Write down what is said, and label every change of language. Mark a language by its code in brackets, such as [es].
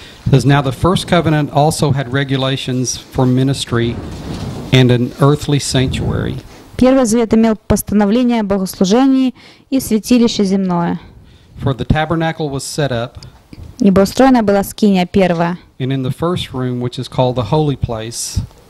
[en] Says now the first covenant also had regulations for ministry and an earthly sanctuary. [ru] Первый завет имел постановление о богослужении и святилище земное. [en] For the tabernacle was set up. [ru] Ибо устроена была скиния первая. [en] And in the first room, which is called the holy place.